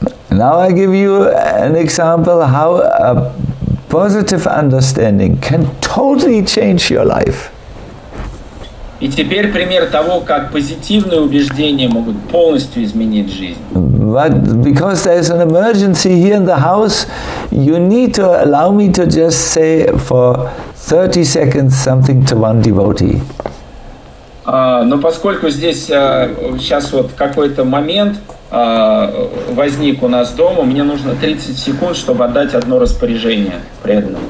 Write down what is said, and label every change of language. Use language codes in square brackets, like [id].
[en] Now I give you an example how a positive understanding can totally change your life. [ru] И теперь пример того, как позитивные убеждения могут полностью изменить жизнь. [en] But because there is an emergency here in the house, you need to allow me to just say for 30 seconds something to one devotee. [ru] Но поскольку здесь сейчас вот какой-то момент возник у нас дома, мне нужно 30 секунд, чтобы отдать одно распоряжение преданному.